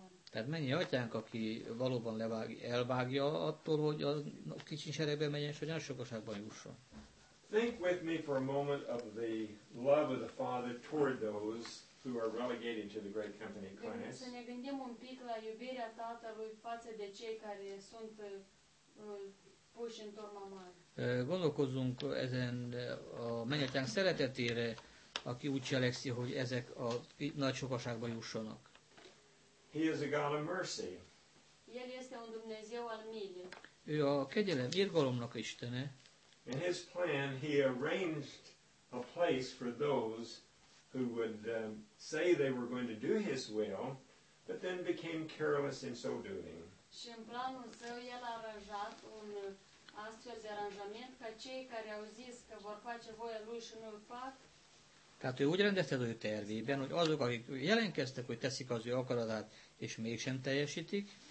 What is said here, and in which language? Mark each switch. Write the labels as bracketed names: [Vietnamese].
[Hungarian] Tehát mennyi atyánk, aki valóban elvágja attól, hogy a kicsi seregbe menjen, és hogy a sokaságban jusson. [English] Think with me for a moment of the love of the Father toward those who are relegated to the great company class. [Romanian] Să ne gândim un pic la iubirea Tatălui față de cei care sunt puși în turma mare. [Hungarian] Gondolkozzunk ezen a mennyatyánk szeretetére, aki úgy cselekszi, hogy ezek a nagy sokaságba jussanak. [English] He is a God of mercy. [Romanian] El este un Dumnezeu al milei. [Hungarian] Ő a kegyelem, irgalomnak istene. [English] In his plan, he arranged a place for those who would say they were going to do his will, but then became careless in so doing. [Romanian] Și în planul său, el a aranjat un astfel de aranjament ca cei care au zis că vor face voia lui și nu-l fac. [Hungarian] Tehát ő úgy rendezte a tervében, hogy azok, akik jelentkeztek, hogy teszik az ő akaratát, és mégsem teljesítik.